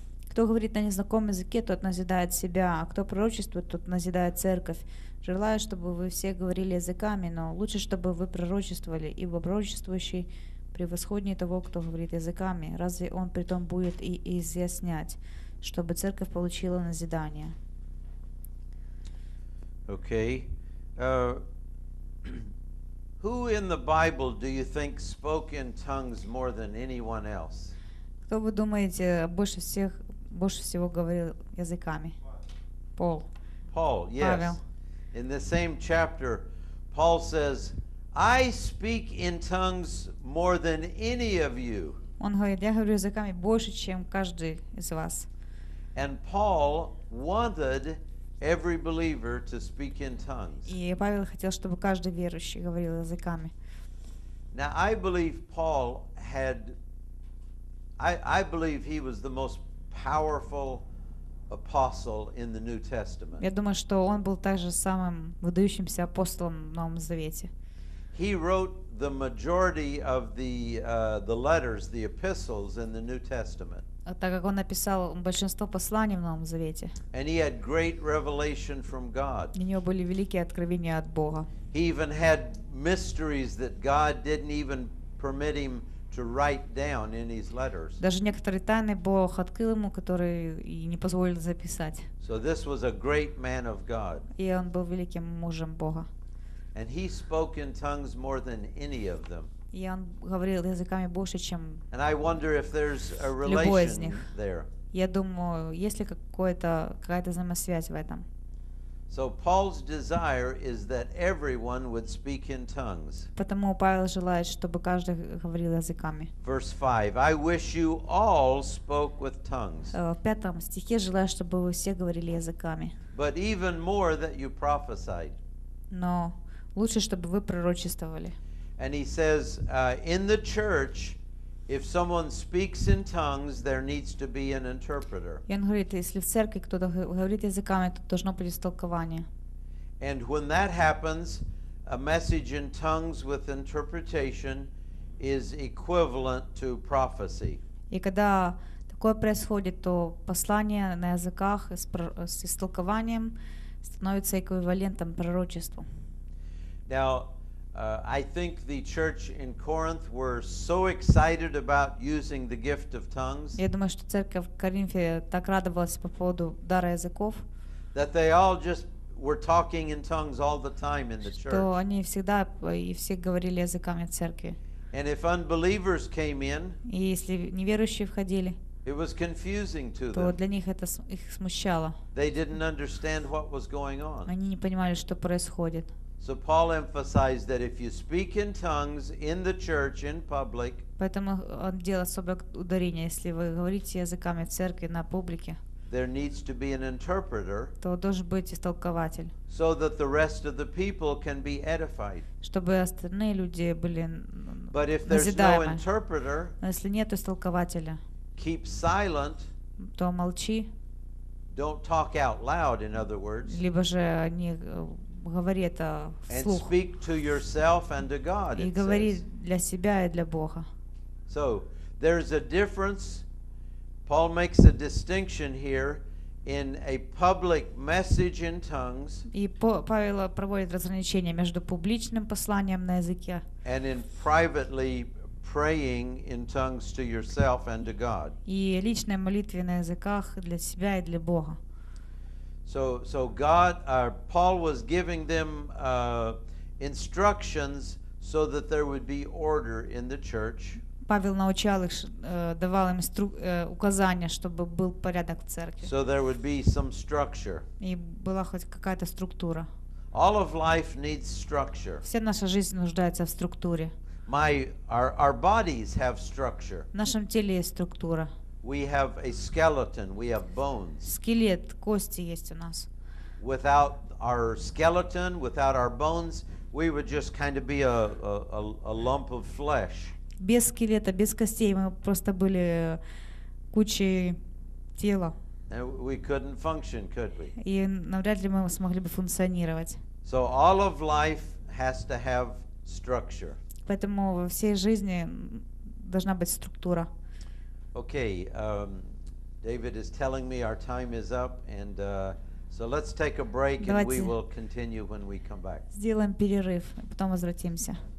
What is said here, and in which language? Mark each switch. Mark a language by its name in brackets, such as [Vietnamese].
[Russian] Кто говорит на незнакомом языке, тот назидает себя, а кто пророчествует, тот назидает церковь. Желаю, чтобы вы все говорили языками, но лучше, чтобы вы пророчествовали, ибо пророчествующий превосходнее того, кто говорит языками. Разве он при том будет и изъяснять, чтобы церковь получила назидание? [English] Okay. Who in the Bible do you think spoke in tongues more than anyone else? [Russian] Кто вы думаете, больше всех больше всего говорил языками? Пол. [English] Paul, yes. Павел. In the same chapter, Paul says, I speak in tongues more than any of you. [Russian] Он говорит, я говорю языками больше, чем каждый из вас. [English] And Paul wanted every believer to speak in tongues. [Russian] И Павел хотел, чтобы каждый верующий говорил языками. [English] Now, I believe Paul had, I believe he was the most powerful apostle in the New Testament. [Russian] Я думаю, что он был также самым выдающимся апостолом в Новом Завете. [English] He wrote the majority of the letters, the epistles in the New Testament. [Russian] Так как он написал большинство посланий в Новом Завете. [English] And he had great revelation from God. [Russian] У него были великие откровения от Бога. [English] He even had mysteries that God didn't even permit him to write down in his letters. [Russian] Даже некоторые тайны Бог открыл ему, которые и не позволили записать. [English] So this was a great man of God. [Russian] И он был великим мужем Бога. [English] And he spoke in tongues more than any of them. [Russian] И он говорил языками больше, чем любой из них. [English] And I wonder if there's a relation there. [Russian] Я думаю, есть ли какая-то взаимосвязь в этом. [English] So Paul's desire is that everyone would speak in tongues. [Russian] Потому Павел желает, чтобы каждый говорил языками. [English] Verse 5. I wish you all spoke with tongues. [Russian] В пятом стихе желаю, чтобы вы все говорили языками. [English] But even more that you prophesied. [Russian] Но лучше, чтобы вы пророчествовали. [English] And he says, in the church, if someone speaks in tongues, there needs to be an interpreter. [Russian] Он говорит, если в церкви кто-то говорит языками, то должно быть истолкование. [English] And when that happens, a message in tongues with interpretation is equivalent to prophecy. [Russian] И когда такое происходит, то послание на языках с истолкованием становится эквивалентом пророчеству. [English] Now, I think the church in Corinth were so excited about using the gift of tongues. [Russian] Я думаю, что церковь в Коринфе так радовалась по поводу дара языков. [English] That they all just were talking in tongues all the time in the church. [Russian] Что они всегда и все говорили языками в церкви. [English] And if unbelievers came in, [Russian] и если неверующие входили, [English] it was confusing to them. [Russian] То для них это их смущало. [English] They didn't understand what was going on. [Russian] Они не понимали, что происходит. [English] So Paul emphasized that if you speak in tongues in the church in public, [Russian] поэтому он делал особое ударение, если вы говорите языками в церкви на публике, [English] there needs to be an interpreter, [Russian] то должен быть истолкователь, [English] so that the rest of the people can be edified, [Russian] чтобы остальные люди были назидаемы. [English] But if there's no interpreter, [Russian] если нет истолкователя, [English] keep silent, [Russian] то молчи, [English] don't talk out loud, in other words, [Russian] либо же не говори это вслух. [English] And speak to yourself and to God, [Russian] и говори для себя и для Бога. [English] So there's a difference. Paul makes a distinction here in a public message in tongues. [Russian] И Павел проводит разграничение между публичным посланием на языке. [English] And in privately praying in tongues to yourself and to God. [Russian] И личной молитвой на языках для себя и для Бога. [English] So God, Paul was giving them instructions so that there would be order in the church. [Russian] Павел научал их, давал им указания, чтобы был порядок в церкви. [English] So there would be some structure. [Russian] И была хоть какая-то структура. [English] All of life needs structure. [Russian] Вся наша жизнь нуждается в структуре. [English] Our bodies have structure. [Russian] В нашем теле есть структура. [English] We have a skeleton, we have bones. [Russian] Скелет, кости есть у нас. [English] Without our skeleton, without our bones, we would just kind of be a lump of flesh. [Russian] Без скелета, без костей мы просто были кучей тела. [English] And we couldn't function, could we? [Russian] И навряд ли мы смогли бы функционировать. [English] So all of life has to have structure. [Russian] Поэтому во всей жизни должна быть структура. [English] Okay, David is telling me our time is up, and so let's take a break. [Russian] Давайте [English] and we will continue when we come back. [Russian] Сделаем перерыв, потом возвратимся.